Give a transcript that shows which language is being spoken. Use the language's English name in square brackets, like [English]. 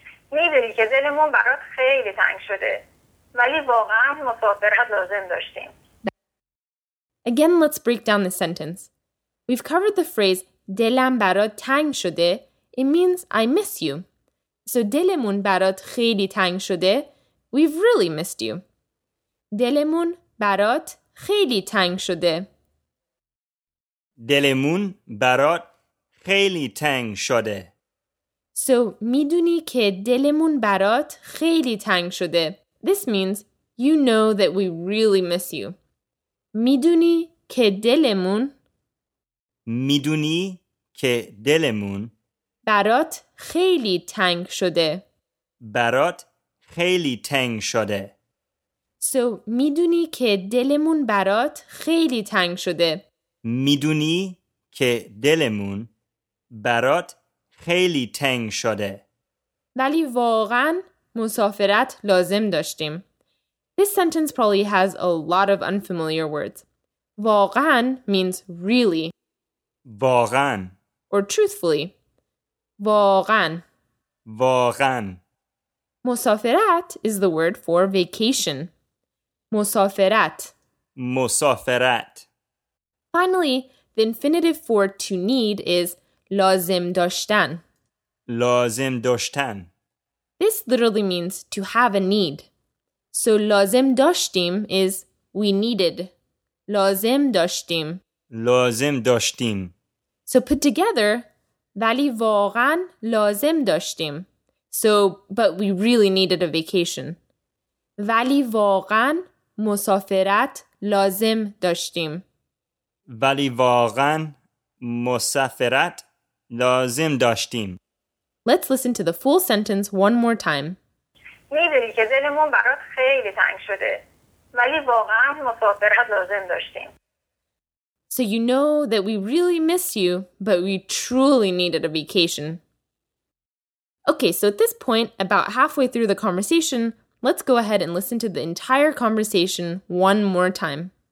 [Persian] می‌دونی که دلمون برات خیلی تنگ شده. ولی واقعاً مسافرت لازم داشتیم. [English] Again, let's break down the sentence. We've covered the phrase [Persian] دلم برات تنگ شده. [English] It means I miss you. [Persian] So دلمون برات خیلی تنگ شده. [English] We've really missed you. [Persian] دلمون برات خیلی تنگ شده. دلمون برات خیلی تنگ شده. So, میدونی که دلمون برات خیلی تنگ شده. [English] This means, you know that we really miss you. [Persian] میدونی که دلمون میدونی که دلمون برات خیلی تنگ شده. برات خیلی تنگ شده. So, میدونی که دلمون برات خیلی تنگ شده. میدونی که دلمون برات خیلی تنگ شده. ولی واقعا مسافرت لازم داشتیم. [English] This sentence probably has a lot of unfamiliar words. واقعا means really. [Persian] واقعا. [English] Or truthfully. واقعا. [Persian] واقعا. [English] مسافرت is the word for vacation. [Persian] مسافرت. مسافرت. [English] Finally, the infinitive for to need is [Persian] لازم داشتن. لازم داشتن. [English] This literally means to have a need. So [Persian] لازم داشتیم [English] is we needed. [Persian] لازم داشتیم. لازم داشتیم. [English] So put together, [Persian] ولی واقعا لازم داشتیم. [English] So, but we really needed a vacation. [Persian] ولی واقعا مسافرت لازم داشتیم. ولی واقعا مسافرت لازم داشتیم. [English] Let's listen to the full sentence one more time. [Persian] می‌دونی که دلمون برات خیلی تنگ شده. ولی واقعا مسافرت لازم داشتیم. [English] So you know that we really miss you, but we truly needed a vacation. Okay, so at this point, about halfway through the conversation, let's go ahead and listen to the entire conversation one more time.